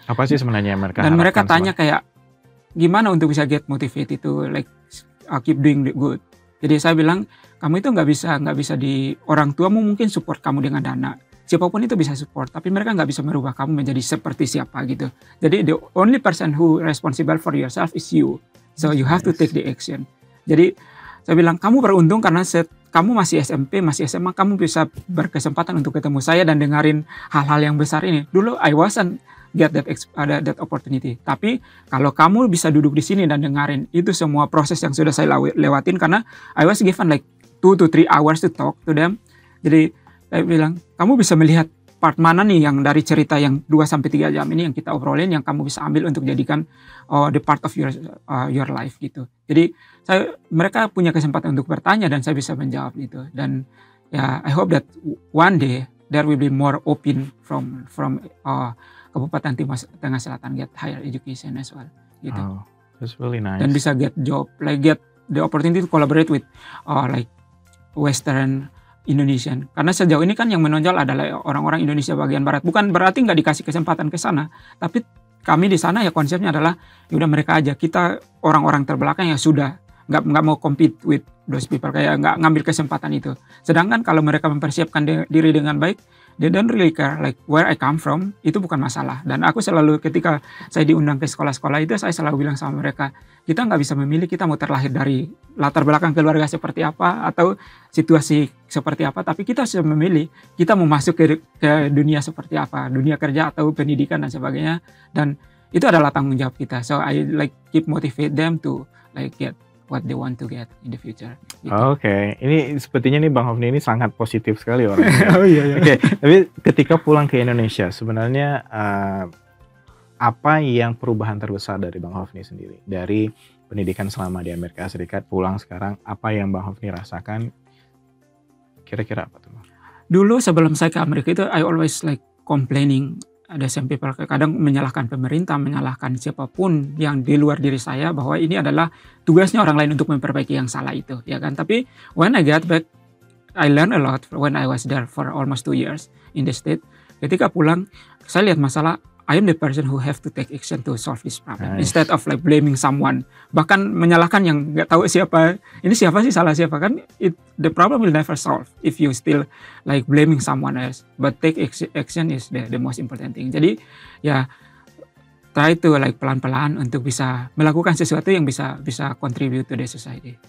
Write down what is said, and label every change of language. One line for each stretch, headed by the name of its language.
Indonesian: Apa sih sebenarnya yang mereka dan mereka tanya sama? Kayak, gimana untuk bisa
English: get motivated
Indonesian: itu,
English: like keep doing the good.
Indonesian: Jadi saya bilang, kamu itu nggak bisa di orang tuamu mungkin support kamu dengan dana. Siapapun itu bisa support, tapi mereka nggak bisa merubah kamu menjadi seperti siapa gitu. Jadi
English: the only person who responsible for yourself is you. So you have to take the action.
Indonesian: Jadi saya bilang, kamu beruntung karena kamu masih SMP, masih SMA, kamu bisa berkesempatan untuk ketemu saya dan dengerin hal-hal yang besar ini. Dulu
English: I wasn't get that opportunity.
Indonesian: Tapi kalau kamu bisa duduk di sini dan dengerin itu semua proses yang sudah saya lewatin, karena
English: I was given like 2 to 3 hours to talk to them.
Indonesian: Jadi saya bilang, kamu bisa melihat part mana nih yang dari cerita yang 2-3 jam ini yang kita obrolin, yang kamu bisa ambil untuk jadikan
English: the part of your life
Indonesian: gitu. Jadi mereka punya kesempatan untuk bertanya dan saya bisa menjawab gitu. Dan ya,
English: yeah, I hope that one day there will be more open from Kabupaten Timur Tengah Selatan get higher education as well gitu. Oh, that's really nice.
Indonesian: Dan bisa
English: get job, like get the opportunity to collaborate with like Western Indonesian.
Indonesian: Karena sejauh ini kan yang menonjol adalah orang-orang Indonesia bagian barat. Bukan berarti nggak dikasih kesempatan ke sana, tapi kami di sana ya konsepnya adalah ya udah mereka aja, kita orang-orang terbelakang yang sudah nggak mau
English: compete with those people,
Indonesian: kayak nggak ngambil kesempatan itu. Sedangkan kalau mereka mempersiapkan diri dengan baik,
English: they don't really care like where I come from,
Indonesian: itu bukan masalah. Dan aku selalu ketika saya diundang ke sekolah-sekolah itu, saya selalu bilang sama mereka, kita nggak bisa memilih kita mau terlahir dari latar belakang keluarga seperti apa atau situasi seperti apa, tapi kita harus memilih kita mau masuk ke dunia seperti apa, dunia kerja atau pendidikan dan sebagainya. Dan itu adalah tanggung jawab kita.
English: So I like keep motivate them to like get what they want to get in the future.
Indonesian: Gitu. Oke, okay. Ini sepertinya nih Bang Hovni ini sangat positif sekali orangnya. Oh iya. Oke, okay. Tapi ketika pulang ke Indonesia, sebenarnya apa yang perubahan terbesar dari Bang Hovni sendiri? Dari pendidikan selama di Amerika Serikat, pulang sekarang, apa yang Bang Hovni rasakan? Kira-kira apa tuh? Dulu sebelum saya ke Amerika itu,
English: I always like complaining.
Indonesian: Ada some people kadang menyalahkan pemerintah, menyalahkan siapapun yang di luar diri saya, bahwa ini adalah tugasnya orang lain untuk memperbaiki yang salah itu, ya kan? Tapi
English: when I got back, I learned a lot when I was there for almost 2 years in the state.
Indonesian: Ketika pulang, saya lihat masalah,
English: I am the person who have to take action to solve this problem. Nice. Instead of like blaming someone,
Indonesian: bahkan menyalahkan yang gak tahu siapa, ini siapa sih, salah siapa kan,
English: the problem will never solve if you still like blaming someone else. But take action is the most important thing.
Indonesian: Jadi ya,
English: try to like
Indonesian: pelan-pelan untuk bisa melakukan sesuatu yang bisa
English: contribute to the society.